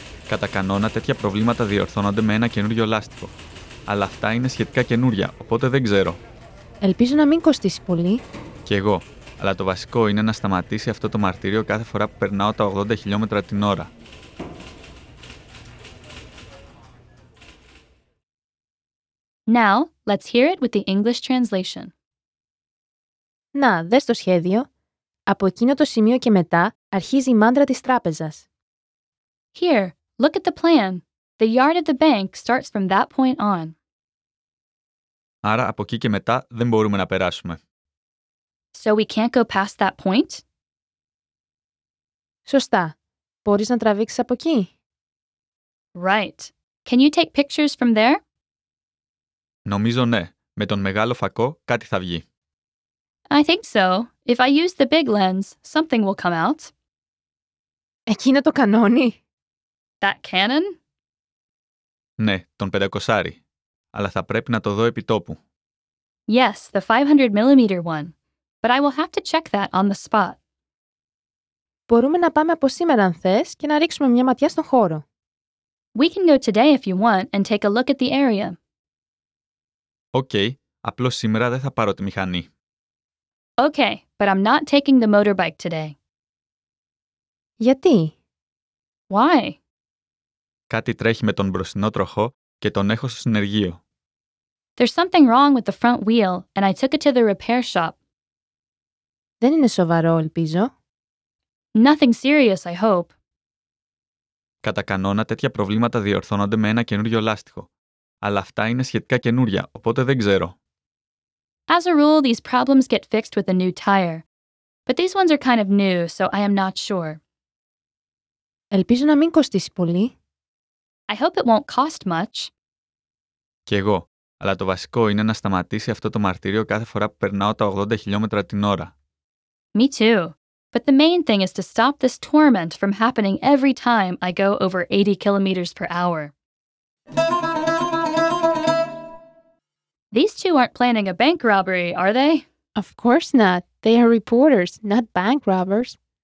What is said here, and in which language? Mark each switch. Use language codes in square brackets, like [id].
[el] Κατά κανόνα τέτοια προβλήματα διορθώνονται με ένα καινούριο λάστιχο. Αλλά αυτά είναι σχετικά καινούρια, οπότε δεν ξέρω. Ελπίζω να μην κοστίσει πολύ. Κι εγώ. Αλλά το βασικό είναι να σταματήσει αυτό το μαρτύριο κάθε φορά που περνάω τα 80 χιλιόμετρα την ώρα. [en] Now, let's hear it with the English translation. [el] Να, δες το σχέδιο. Από εκείνο το σημείο και μετά αρχίζει η μάντρα της τράπεζας. [en] Here, look at the plan. The yard of the bank starts from that point on. [el] Άρα από εκεί και μετά δεν μπορούμε να περάσουμε. [en] So we can't go past that point? [el] Σωστά. Μπορείς να τραβήξεις από εκεί? [en] Right. Can you take pictures from there? [el] Νομίζω ναι. Με τον μεγάλο φακό κάτι θα βγει. [en] I think so. If I use the big lens, something will come out. [el] Εκείνο το κανόνι? [en] That cannon? [el] Ναι, τον 500. Αλλά θα πρέπει να το δω επί τόπου. [en] Yes, the 500mm one. But I will have to check that on the spot. [el] Μπορούμε να πάμε από σήμερα αν θες και να ρίξουμε μια ματιά στον χώρο. [en] We can go today if you want and take a look at the area. [el] Οκ. Απλώς σήμερα δεν θα πάρω τη μηχανή. [en] Okay, but I'm not taking the motorbike today. [el] Γιατί? [en] Why? [el] Κάτι τρέχει με τον μπροστινό τροχό και τον έχω στο συνεργείο. [en] There's something wrong with the front wheel and I took it to the repair shop. [el] Δεν είναι σοβαρό, ελπίζω. [en] Nothing serious, I hope. [el] Κατά κανόνα τέτοια προβλήματα διορθώνονται με ένα καινούριο λάστιχο. Αλλά αυτά είναι σχετικά καινούρια, οπότε δεν ξέρω. [en] As a rule, these problems get fixed with a new tire. But these ones are kind of new, so I am not sure. [el] Ελπίζω να μην κοστίσει πολύ. [en] I hope it won't cost much. [el] Κι εγώ. Αλλά το βασικό είναι να σταματήσει αυτό το μαρτύριο κάθε φορά που περνάω τα 80 χιλιόμετρα την ώρα. [en] Me too. But the main thing is to stop this torment from happening every time I go over 80 kilometers per hour. These two aren't planning a bank robbery, are they? Of course not. They are reporters, not bank robbers.